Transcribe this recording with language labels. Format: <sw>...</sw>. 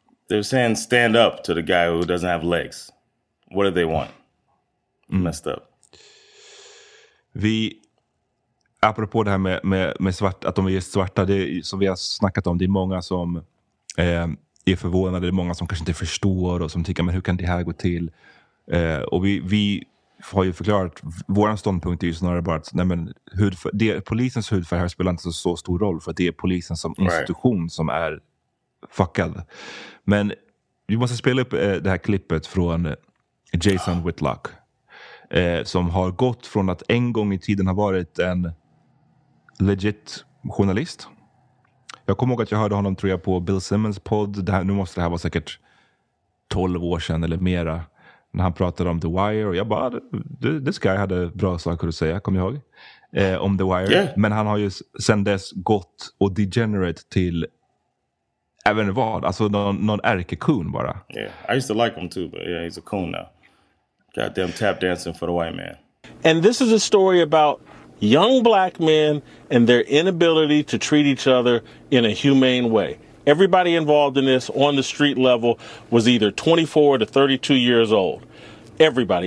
<en>They're saying stand up to the guy who doesn't have legs. What do they want? Messed up.</en> <sv>Vi, apropå det här med svart, att de är svarta, det som vi har snackat om, det är många som är förvånade, det är många som kanske inte förstår och som tycker, men hur kan det här gå till? Och vi har ju förklarat, vår ståndpunkt är ju snarare bara att polisens hudfärg här spelar inte så stor roll, för att det är polisen som institution som är fuckad. Men vi måste spela upp det här klippet från Jason Whitlock, som har gått från att en gång i tiden ha varit en legit journalist. Jag kommer ihåg att jag hörde honom, tror jag, på Bill Simmons podd. Nu måste det här vara säkert 12 år sedan eller mera. När han pratade om The Wire. Och jag bara,</sv> <en>this guy</en> <sv>hade bra saker att säga, kom jag ihåg. Om The Wire. Yeah. Men han har ju sedan dess gått och degenerate till även vad. Alltså någon ärkekun bara.</sv> <en>Yeah, I used to like him too, but yeah, he's a coon now. Goddamn tap dancing for the white man. And this is a story about young black men and their inability to treat each other in a humane way. Everybody involved in this on the street level was either 24 to 32 years old. Everybody.</en>